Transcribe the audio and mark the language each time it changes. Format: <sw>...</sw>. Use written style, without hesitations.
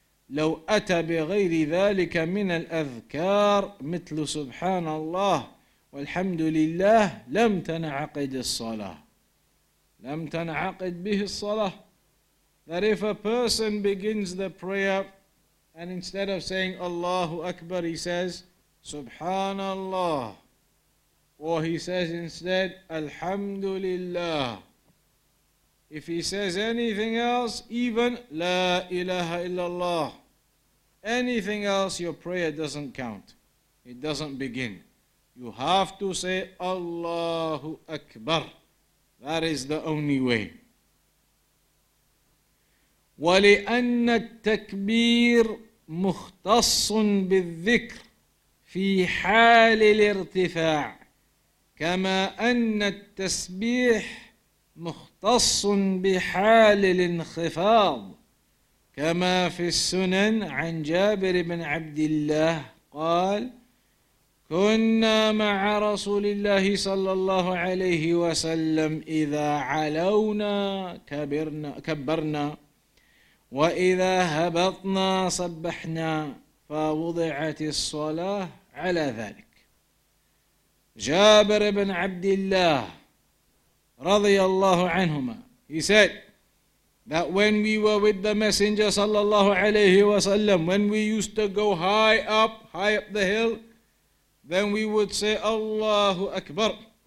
<ar>لو أتى بغير ذلك من الأذكار مثل سبحان الله والحمد لله لم تنعقد الصلاة لم تنعقد به الصلاة.</ar> <en>That if a person begins the prayer and instead of saying Allahu Akbar he says</en> <ar>سبحان الله,</ar> <en>or he says instead</en> <ar>الحمد لله,</ar> <en>if he says anything else, even</en> <ar>لا إله إلا الله,</ar> <en>anything else, your prayer doesn't count. It doesn't begin. You have to say Allahu Akbar. That is the only way.</en> <ar>وَلِأَنَّ التَّكْبِيرُ مُخْتَصٌ بِالذِّكْرِ فِي حَالِ الْإِرْتِفَاعِ كَمَا أَنَّ التَّسْبِيحَ مُخْتَصٌ بِحَالِ الْإِنْخِفَاضِ كما في السنن عن جابر بن عبد الله قال كنا مع رسول الله صلى الله عليه وسلم إذا علونا كبرنا وإذا هبطنا صبحنا فوضعت الصلاة على ذلك.</ar> <en>جابر بن عبد الله</en> <ar>رضي الله عنهما,</ar> <en>he said that when we were with the Messenger sallallahu alayhi wa sallam, when we used to go high up the hill, then we would say Allahu Akbar.</en>